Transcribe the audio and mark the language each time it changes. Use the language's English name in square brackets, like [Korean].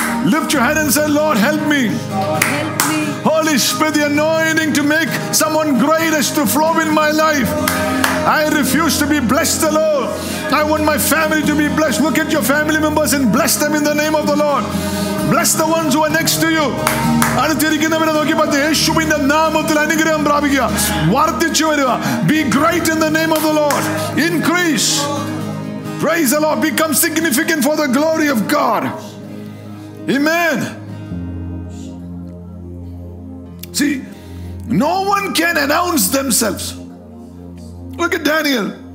[English] Lift your hand and say, "Lord, help me. Holy Spirit, the anointing to make someone great is to flow in my life. I refuse to be blessed alone. I want my family to be blessed." Look at your family members and bless them in the name of the Lord. Bless the ones who are next to you. [Malayalam] അടുത്തിരിക്കുന്നവരെ നോക്കി പറഞ്ഞു, യേശുവിന്റെ നാമത്തിൽ അനുഗ്രഹം പ്രാപിക്കുക, വർദ്ധിച്ചു വരിക. [English] Be great in the name of the Lord. Increase. Praise the Lord. Become significant for the glory of God. Amen. See, no one can announce themselves. Look at Daniel.